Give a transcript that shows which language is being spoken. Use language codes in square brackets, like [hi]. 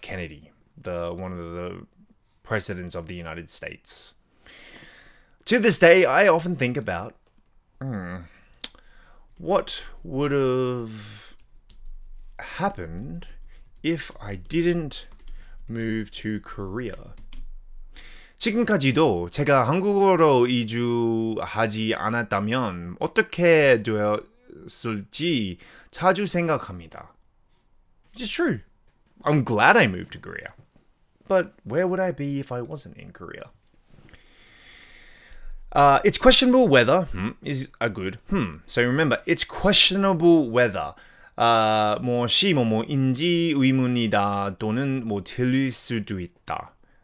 [en] Kennedy, one of the presidents of the United States. To this day, I often think about what would have happened if I didn't move to Korea. [ko] 지금까지도 제가 한국으로 이주하지 않았다면 어떻게 되었을지 자주 생각합니다. [en] Which is true. I'm glad I moved to Korea. But where would I be if I wasn't in Korea? It's questionable whether is a good So remember, it's questionable whether [ko] 무엇이 뭐뭐인지 의문이다 또는 뭐 틀릴 수도 있다.